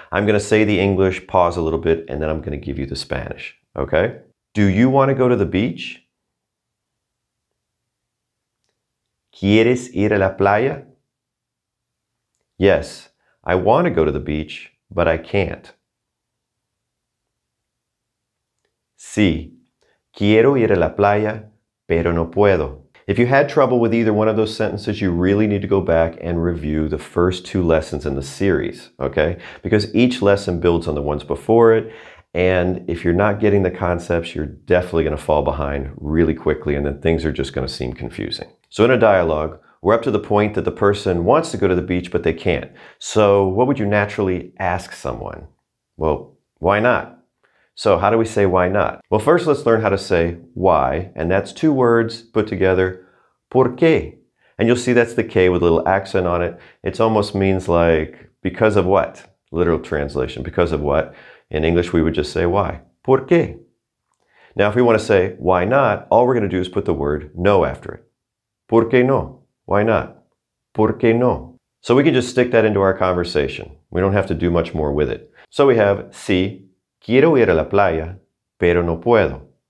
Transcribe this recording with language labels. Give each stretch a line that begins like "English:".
English: I'm going to say the English, pause a little bit, and then I'm going to give you the Spanish. Okay? Do you want to go to the beach?
Spanish: ¿Quieres ir a la playa?
English: Yes, I want to go to the beach, but I can't.
Spanish: Sí, quiero ir a la playa, pero no puedo.
English: If you had trouble with either one of those sentences, you really need to go back and review the first 2 lessons in the series, okay? Because each lesson builds on the ones before it, and if you're not getting the concepts, you're definitely going to fall behind really quickly, and then things are just going to seem confusing. So in a dialogue, we're up to the point that the person wants to go to the beach, but they can't. So what would you naturally ask someone? Well, why not? So how do we say why not? Well, first let's learn how to say why, and that's 2 words put together,
Spanish: ¿por qué?
English: And you'll see that's the K with a little accent on it. It almost means like, because of what? Literal translation, because of what? In English, we would just say why,
Spanish: ¿por qué?
English: Now, if we want to say why not, all we're going to do is put the word no after it.
Spanish: ¿Por qué no?
English: Why not? ¿Por qué no? So we can just stick that into our conversation. We don't have to do much more with it. So we have sí.
Spanish: Quiero ir a la playa, pero no puedo.